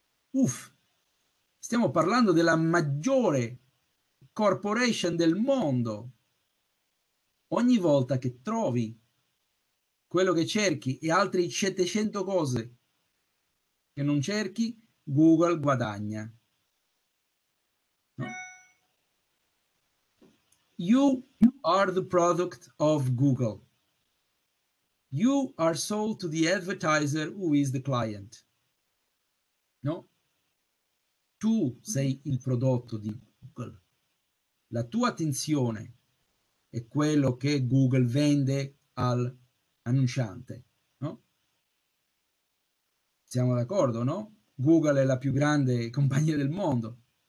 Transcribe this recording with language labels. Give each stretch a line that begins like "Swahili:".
Italian: Uff, stiamo parlando della maggiore corporation del mondo. Ogni volta che trovi quello che cerchi e altri 700 cose che non cerchi, Google guadagna. No.
English: You are the product of Google. You are sold to the advertiser who is the client.
Italian: No? Tu sei il prodotto di Google. La tua attenzione è quello che Google vende al annunciante, no? Siamo d'accordo, no? Google è la più grande compagnia del mondo.